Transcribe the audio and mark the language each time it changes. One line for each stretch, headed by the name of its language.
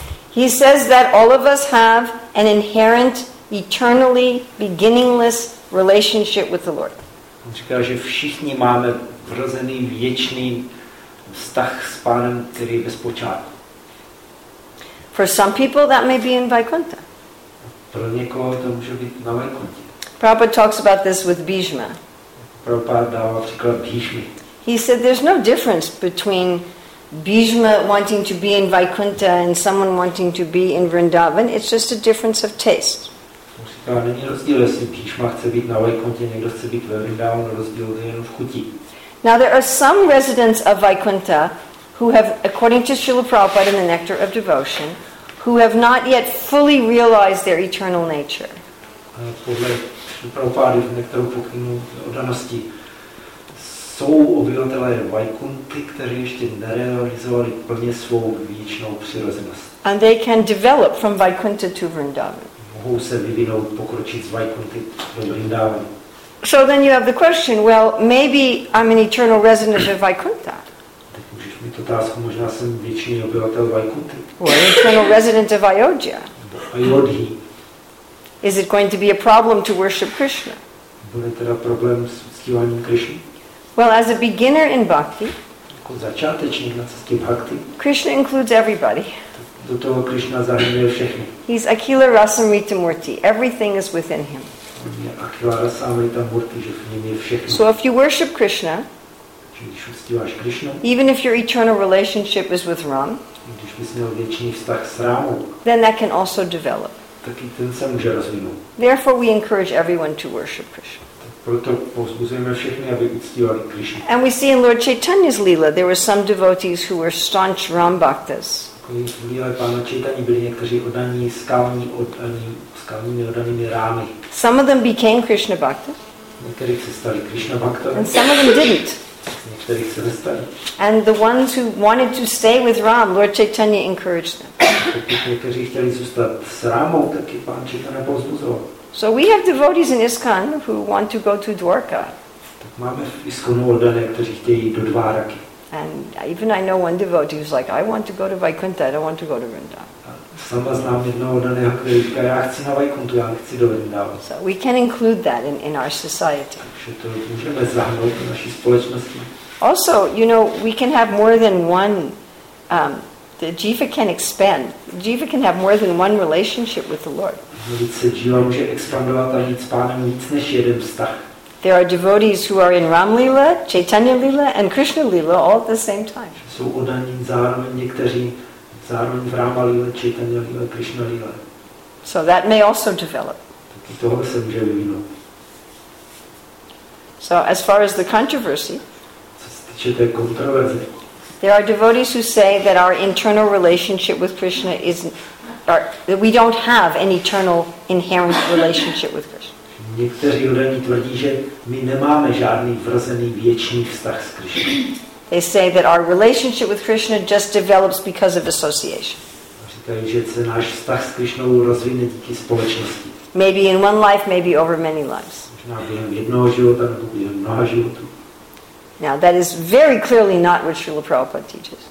English: he says that all of us have an inherent, eternally beginningless relationship with the Lord.
Czech: On říká, že všichni máme vrozený věčný vztah s Pánem, který je bez počátku.
English: For some people that may be in Vaikuntha.
Czech: Pro někoho to může být na Vaikuntě.
English: Prabhupada talks about this with Bhishma.
Czech: Prabhupada dává příklad Bhishmy.
English: He said there's no difference between Bhishma wanting to be in Vaikuntha and someone wanting to be in Vrindavan. It's just a difference of taste.
Czech: A není rozdíl, jestli Bhishma chce být na Vaikuntě, někdo chce být ve Vrindavanu, rozdíl je jenom v chuti.
English: Now there are some residents of Vaikuntha who have, according to Srila Prabhupada in the Nectar of Devotion, who have not yet fully realized their eternal nature.
Czech: A podle Srila Prabhupada v Nektaru pokynu o danosti jsou obyvatelé Vaikunty, kteří ještě nerealizovali plně svou věčnou přirozenost.
English: And they can develop from Vaikuntha to Vrindavan.
Czech: Mohou se vyvinout, pokročit z Vaikunty do Vrindavanu.
English: So then you have the question, well, maybe I'm an eternal resident of Vaikuntha.
Czech: Tak můžeš mít otázku, možná jsem věčný obyvatel Vaikunty.
English: Or an eternal resident of Ayodhya.
Czech: Ayodhi.
English: Is it going to be a problem to worship Krishna?
Czech: Bude teda problém s uctíváním Krišny?
English: Well, as a beginner in bhakti,
Czech: jako začátečník na cestě bhakti,
English: Krishna includes everybody.
Czech: Do toho Krishna zahrnuje všechny.
English: He's Akhila Rasamrita Murti. Everything is within him.
Czech: On je Akhila Rasamrita Murti, že v něm je všechno.
English: So if you worship Krishna,
Czech: když uctíváš Krishna,
English: even if your eternal relationship is with Ram,
Czech: když bys měl věčný vztah s Rámou,
English: then that can also develop.
Czech: Taky ten se může rozvinout.
English: Therefore, we encourage everyone to worship Krishna.
Czech: Proto povzbuzujeme všechny, aby uctívali Krishnu.
English: And we see in Lord Chaitanya's Leela, there were some devotees who were staunch Ram Bhaktas.
Czech: V Leele Pána Chaitanyi byli někteří oddaní skalními oddanými Rámy.
English: Some of them became Krishna Bhaktas.
Czech: Někteří se stali Krishna Bhaktas.
English: And some of them didn't.
Czech: Některý se nestali.
English: And the ones who wanted to stay with Ram, Lord Chaitanya encouraged them.
Czech: Někteří chtěli zůstat s Rámou, taky Pán Chaitanya povzbuzoval.
English: So we have devotees in ISKCON who want to go to Dvarka.
Czech: Tak máme v ISKCONu oddané, kteří chtějí do Dvaraky.
English: And even I know one devotee who's like, I want to go to Vaikuntha, I don't want to go to Vrindavan.
Czech: Sama znám jednoho oddaného, který říká, já chci na Vaikuntu, já nechci do Vrindavan.
English: So we can include that in our society.
Czech: Takže to můžeme zahrnout do naší společnosti.
English: Also, you know, we can have more than one, the jiva can expand. Jiva can have more than one relationship with the Lord.
Czech: Jiva může expandovat a mít s pánem víc než jeden vztah.
English: There are devotees who are in Ram Lila, Chaitanya Lila and Krishna Lila all at the same time.
Czech: Jsou oddaní zároveň někteří zároveň v Rama Lila, Chaitanya Lila, Krishna Lila.
English: So that may also develop.
Czech: Taky tohle se může vyvinout.
English: So as far as the controversy,
Czech: co se týče té kontroverze,
English: there are devotees who say that our internal relationship with Krishna that we don't have an eternal inherent relationship with Krishna.
Czech: Někteří oddaní tvrdí, že my nemáme žádný vrozený věčný vztah s Krishna.
English: They say that our relationship with Krishna just develops because of association.
Czech: Říkají, že se náš vztah s Krishnou rozvine díky společnosti.
English: Maybe in one life, maybe over many lives.
Czech: Možná během jednoho života nebo během mnoha životů.
English: Now that is very clearly not what Srila Prabhupada teaches.